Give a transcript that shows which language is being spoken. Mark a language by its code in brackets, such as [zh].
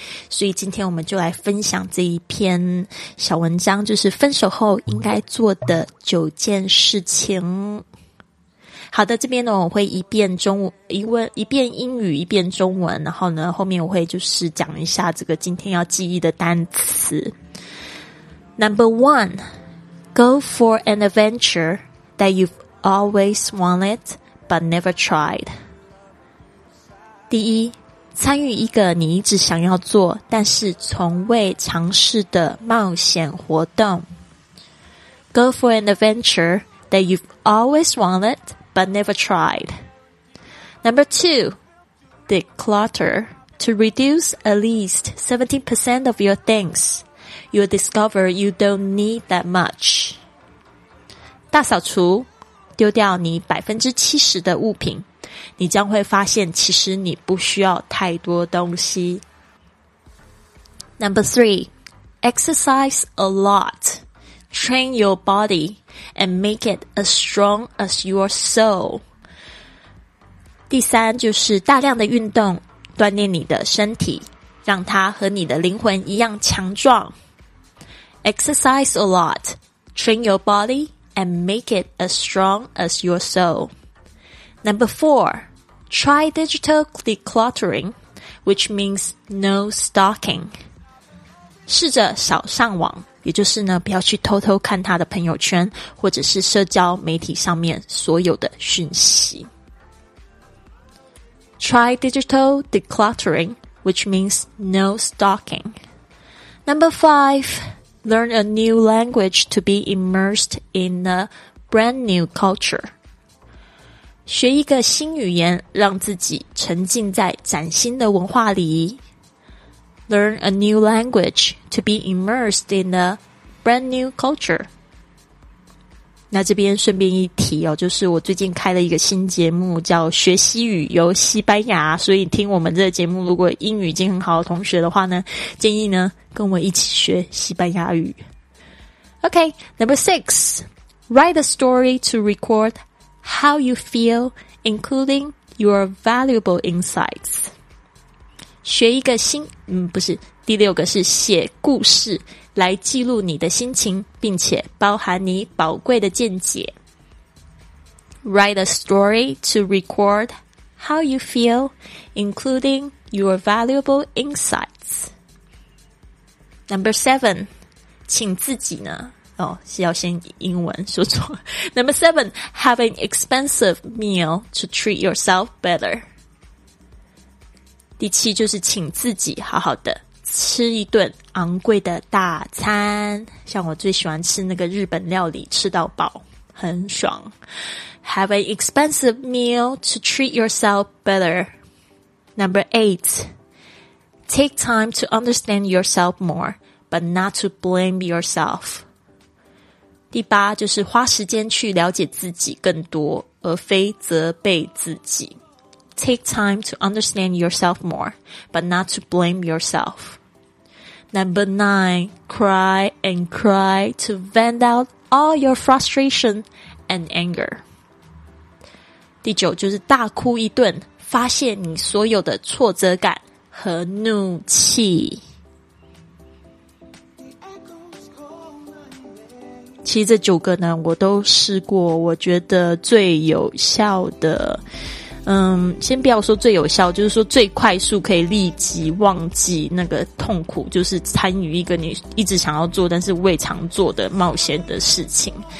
[zh] 所以今天我们就来分享这一篇小文章，就是分手后应该做的九件事情。好的，这边呢我会一遍英语一遍中文，然后呢后面我会就是讲一下这个今天要记忆的单词。 [en] Number oneGo for an adventure that you've always wanted but never tried. [zh] 第一，参与一个你一直想要做但是从未尝试的冒险活动。 [en] Go for an adventure that you've always wanted but never tried. Number two, declutter to reduce at least 70% of your things. You'll discover you don't need that much. [zh] 大扫除，丢掉你 70% 的物品，你将会发现其实你不需要太多东西。 [en] Number three, exercise a lot. Train your body and make it as strong as your soul. [zh] 第三，就是大量的运动，锻炼你的身体，让它和你的灵魂一样强壮。 [en] Exercise a lot. Train your bodyAnd make it as strong as your soul. Number four, try digital decluttering which means no stalking. [zh] 试着少上网，也就是呢，不要去偷偷看他的朋友圈，或者是社交媒体上面所有的讯息。 [en] Try digital decluttering, which means no stalking. Number 5, learn a new language to be immersed in a brand new culture. [zh] 学一个新语言，让自己沉浸在崭新的文化里。 [en] Learn a new language to be immersed in a brand new culture. [zh] 那这边顺便一提哦，就是我最近开了一个新节目叫学习语游西班牙，所以听我们这个节目如果英语已经很好的同学的话呢，建议呢跟我一起学西班牙语。 [en] OK, number 6, write a story to record how you feel, including your valuable insights. [zh] 学一个新，不是，第六个是写故事来记录你的心情，并且包含你宝贵的见解。 [en] Write a story to record how you feel, including your valuable insights. [zh] Number 7, 请自己呢，哦，是要先英文说错。 [en] Number 7, have an expensive meal to treat yourself better. [zh] 第七就是请自己好好的吃一顿昂贵的大餐，像我最喜欢吃那个日本料理，吃到饱很爽。 [en] Have an expensive meal to treat yourself better. Number 8, take time to understand yourself more, but not to blame yourself. [zh] 第八就是花时间去了解自己更多，而非责备自己。 [en] Take time to understand yourself more, but not to blame yourself. Number 9, cry and cry to vent out all your frustration and anger. [zh] 第九就是大哭一顿，发泄你所有的挫折感和怒气。其实这九个呢，我都试过，我觉得最有效的先不要说最有效，就是说最快速可以立即忘记那个痛苦，就是参与一个你一直想要做但是未尝做的冒险的事情。